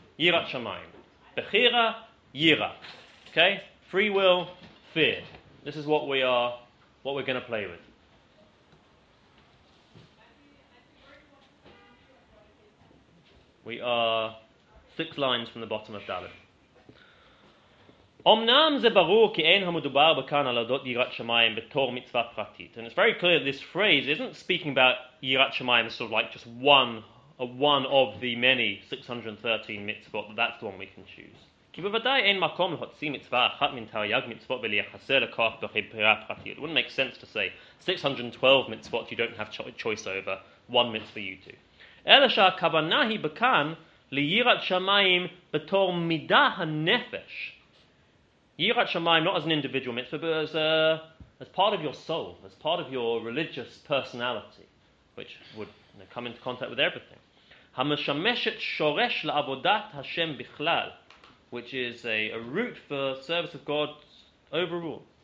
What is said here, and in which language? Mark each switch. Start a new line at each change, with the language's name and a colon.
Hebrew: Yirat Shamayim. Bechira Yira. Okay?
English: Free will, fear. This is what we're going to play with. We are 6 lines from the bottom of Dalet.
Hebrew: אמנם זה ברור כי אין המדובר בכאן על הודות יראת שמיים בתור מצווה פרטית.
English: And it's very clear this phrase isn't speaking about יראת שמיים as sort of like just one of the many 613 mitzvot, but that's the one we can choose.
Hebrew: כי בוודאי אין מקום להוציא מצווה אחת מן תרי"ג מצוות וליחסה לכוח בחברה פרטית.
English: It wouldn't make sense to say 612 mitzvot you don't have choice over, one mitzvah you do.
Hebrew: אלא שהכוונה היא בכאן ליראת שמיים בתור מידה הנפש.
English: Yirat Shamayim, not as an individual mitzvah, but as part of your soul, as part of your religious personality, which would come into contact with everything.
Hebrew: Hameshameshet shoresh la'avodat Hashem bichlal,
English: which is a root for service of God overall.